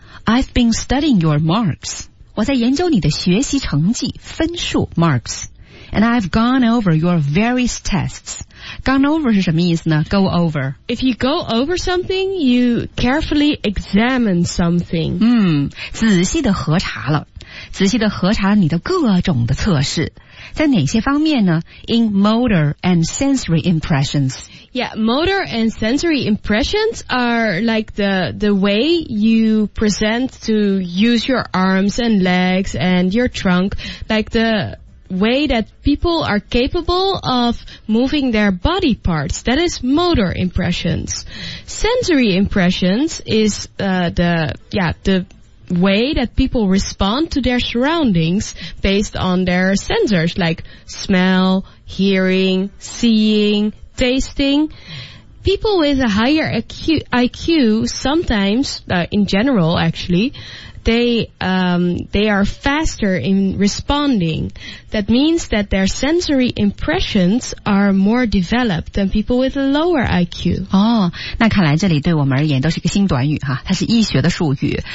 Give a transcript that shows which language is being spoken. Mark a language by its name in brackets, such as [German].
[English] I've been studying your marks. [Chinese] 我在研究你的学习成绩，分数 [English] marks. And I've gone over your various tests. Gone over [Chinese] 是什么意思呢？ [English] Go over. If you go over something, you carefully examine something. [Chinese] 仔细的核查了，仔细的核查了你的各种的测试。在哪些方面呢？ [English] In motor and sensory impressions. Yeah, motor and sensory impressions are like the way you present to use your arms and legs and your trunk, like the... way that people are capable of moving their body parts. That is motor impressions. Sensory impressions is the way that people respond to their surroundings based on their sensors, like smell, hearing, seeing, tasting. People with a higher IQ sometimes, in general actually,they are faster in responding. That means that their sensory impressions are more developed than people with a lower IQ. [Chinese] 哦，那看来这里对我们而言都是一个新短语哈，它是医学的术语。